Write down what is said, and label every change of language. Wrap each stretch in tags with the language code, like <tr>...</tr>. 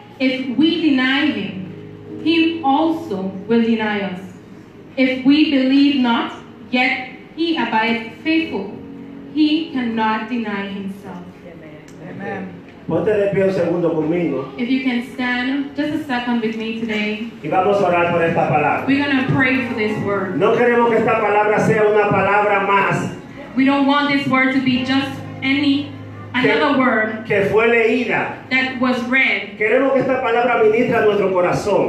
<en>If we deny him, he also will deny us. If we believe not, yet he abides faithful. He cannot deny himself. Amen. Amen.</en> <es>Ponte de pie un segundo conmigo.</es> <en>If you can stand just a second with me today.</en> <es>Y vamos a orar por esta palabra.</es> <en>We're going to pray for this word.</en> <es>No queremos que esta palabra sea una palabra más.</es> <en>We don't want this word to be just another word.</en> <es>Que fue leída.</es> <en>That was read.</en> <es>Queremos que esta palabra ministre a nuestro corazón.</es>